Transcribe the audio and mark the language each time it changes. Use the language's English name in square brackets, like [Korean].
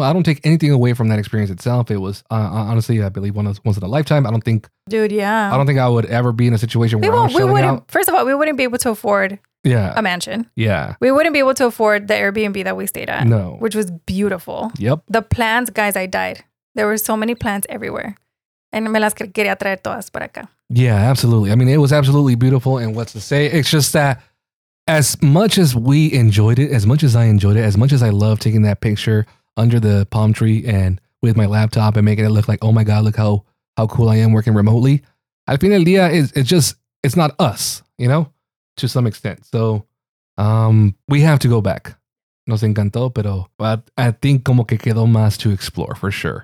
[English] I don't take anything away from that experience itself. It was, honestly, I believe once in a lifetime. I don't think. Dude, yeah. I don't think I would ever be in a situation where I'm shelling out. First of all, we wouldn't be able to afford a mansion. Yeah. We wouldn't be able to afford the Airbnb that we stayed at. No. Which was beautiful. Yep. The plants, guys, I died. There were so many plants everywhere. [Spanish] And me las quería traer todas para acá. [English] Yeah, absolutely. I mean, it was absolutely beautiful. And what's to say? It's just that as much as we enjoyed it, as much as I enjoyed it, as much as I love taking that picture under the palm tree and with my laptop and making it look like, oh my God, look how cool I am working remotely. [Spanish] Al fin del día, [English] it's not us, you know, to some extent. So we have to go back. [Spanish] Nos encantó, [English] but I think [Spanish] como que quedó más [English] to explore for sure.